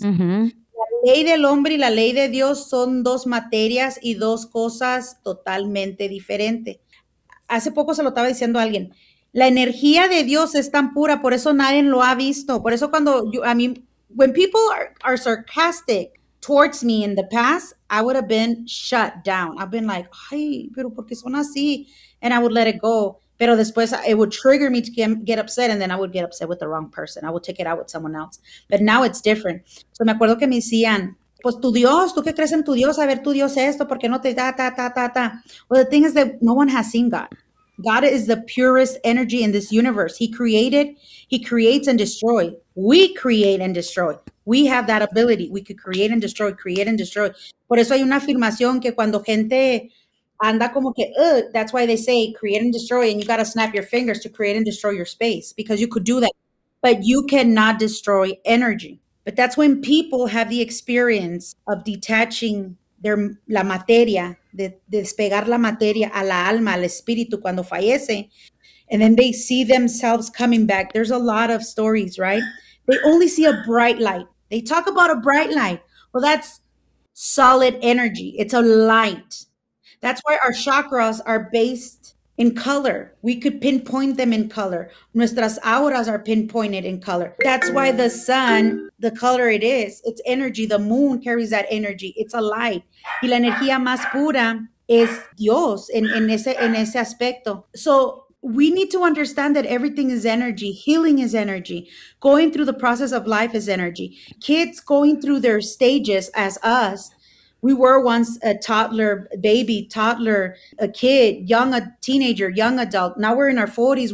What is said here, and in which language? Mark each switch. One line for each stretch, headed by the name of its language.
Spanish: Mm-hmm. La ley del hombre y la ley de Dios son dos materias y dos cosas totalmente diferentes. Hace poco se lo estaba diciendo a alguien. La energía de Dios es tan pura, por eso nadie lo ha visto. Por eso cuando,
English: when people are sarcastic towards me in the past, I would have been shut down. I've been like,
Spanish: ay, pero ¿por qué son así?
English: And I would let it go.
Spanish: Pero después,
English: it would trigger me to get upset, and then I would get upset with the wrong person. I would take it out with someone else. But now it's different.
Spanish: So me acuerdo que me decían, pues tu Dios, ¿tú qué crees en tu Dios? A ver, tu Dios esto, ¿por qué no te da, ta, ta, ta, ta?
English: Well, the thing is that no one has seen God. God is the purest energy in this universe. He created, he creates and destroys. We create and destroy. We have that ability. We could create and destroy, create and destroy.
Spanish: Por eso hay una afirmación que cuando gente anda como que,
English: that's why they say create and destroy, and you got to snap your fingers to create and destroy your space, because you could do that, but you cannot destroy energy. But that's when people have the experience of detaching their
Spanish: la materia, de despegar la materia a la alma, al espíritu, cuando fallece,
English: and then they see themselves coming back. There's a lot of stories, right? They only see a bright light. They talk about a bright light. Well, that's solid energy. It's a light. That's why our chakras are based in color. We could pinpoint them in color. Nuestras auras are pinpointed in color. That's why the sun, the color it is, it's energy. The moon carries that energy. It's a light.
Spanish: Y la energía más pura es Dios en ese aspecto.
English: So we need to understand that everything is energy. Healing is energy. Going through the process of life is energy. Kids going through their stages as us. We were once a toddler, baby, toddler, a kid, young, a teenager, young adult. Now we're in our 40s.